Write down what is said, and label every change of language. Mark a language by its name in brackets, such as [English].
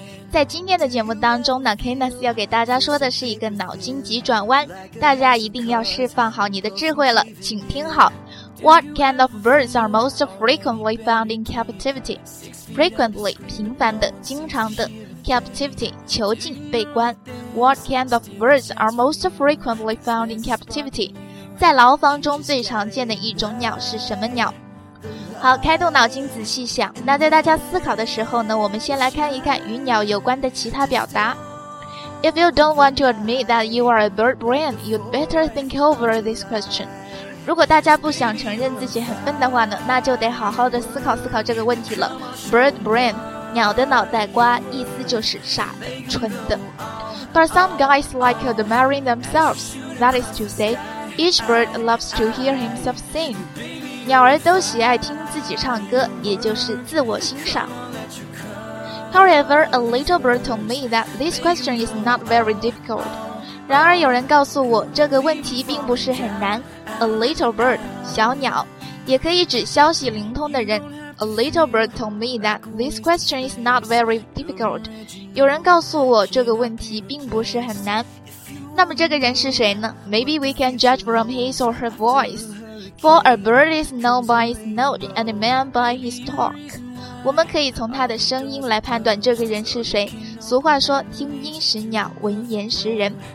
[Chinese] 在今天的节目当中呢， Kenneth 要给大家说的是一个脑筋急转弯，大家一定要释放好你的智慧了，请听好。 [English] What kind of birds are most frequently found in captivity? [Chinese] Frequently, 频繁的，经常的。Captivity, 囚禁，被关。 [English] What kind of birds are most frequently found in captivity? [Chinese] 在牢房中最常见的一种鸟是什么鸟？好，开动脑筋仔细想。那在大家思考的时候呢，我们先来看一看与鸟有关的其他表达。 [English] If you don't want to admit that you are a bird brain, you'd better think over this question. [Chinese] 如果大家不想承认自己很笨的话呢，那就得好好的思考思考这个问题了。 Bird brain, 鸟的脑袋瓜，意思就是傻的，蠢的。 [English] But some guys like admiring themselves. That is to say, each bird loves to hear himself sing. [Chinese] 鸟儿都喜爱听自己唱歌，也就是自我欣赏。 [English] However, a little bird told me that this question is not very difficult. [Chinese] 然而有人告诉我，这个问题并不是很难。 A little bird, 小鸟，也可以指消息灵通的人。 [English] A little bird told me that this question is not very difficult. [Chinese] 有人告诉我，这个问题并不是很难。那么这个人是谁呢？ [English] Maybe we can judge from his or her voice. For a bird is known by his note and a man by his talk. [Chinese] 我们可以从他的声音来判断这个人是谁。俗话说，听音识鸟，闻言识人。